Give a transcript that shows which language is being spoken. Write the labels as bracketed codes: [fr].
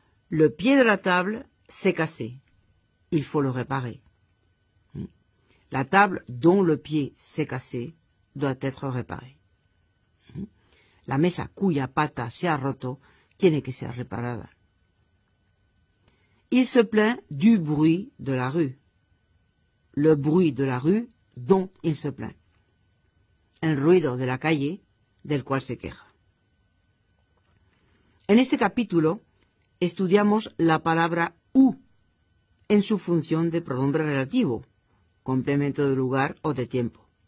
[fr] Le pied de la table s'est cassé. Il faut le réparer. La table dont le pied s'est cassé doit être réparée. [es] La mesa cuya pata se ha roto tiene que ser reparada. [fr] Il se plaint du bruit de la rue. Le bruit de la rue dont il se plaint. [es] El ruido de la calle del cual se queja. En este capítulo estudiamos la palabra u en su función de pronombre relativo, complemento de lugar o de tiempo.